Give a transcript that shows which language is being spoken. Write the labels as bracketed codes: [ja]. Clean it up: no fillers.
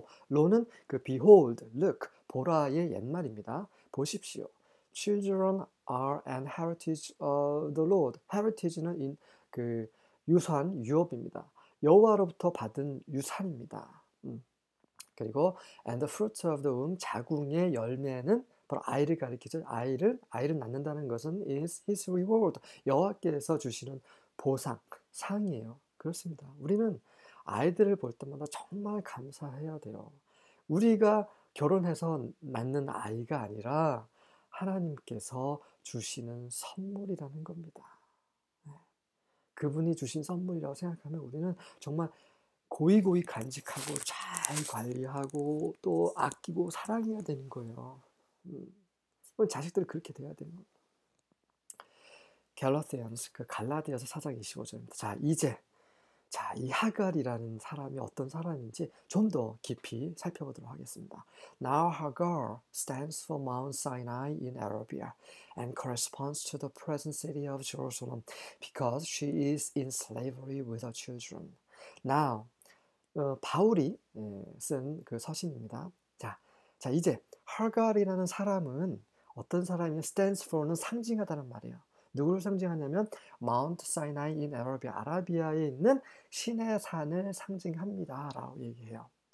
[ko] Lo는 그 [en] behold, look, [ko] 보라의 옛말입니다. 보십시오. [en] Children are an heritage of the Lord. [ko] Heritage는 그 유산, 유업입니다. 여호와로부터 받은 유산입니다. 그리고 [en] and the fruit of the womb [ko] 자궁의 열매는 바로 아이를 가리키죠. 아이를 낳는다는 것은 [en] is his reward [ko] 여호와께서 주시는 보상 상이에요. 그렇습니다. 우리는 아이들을 볼 때마다 정말 감사해야 돼요. 우리가 결혼해서 낳는 아이가 아니라 하나님께서 주시는 선물이라는 겁니다. 그분이 주신 선물이라고 생각하면 우리는 정말 고이고이 간직하고 잘 관리하고 또 아끼고 사랑해야 되는 거예요. 자식들이 그렇게 돼야 되는 거예요. 갈라디아서 4장 25절입니다. 이 하갈이라는 사람이 어떤 사람인지 좀더 깊이 살펴보도록 하겠습니다. [en] Now Hagar stands for Mount Sinai in Arabia and corresponds to the present city of Jerusalem because she is in slavery with her children. [ko] Now 바울이 쓴그 서신입니다. 이제 하갈이라는 사람은 어떤 사람이냐? [en] stands for [ko] 는 상징하다는 말이에요. 누구를 상징하냐면 Mount Sinai in Arabia, 아라비아에 있는 신의 산을 상징합니다라고 얘기해요.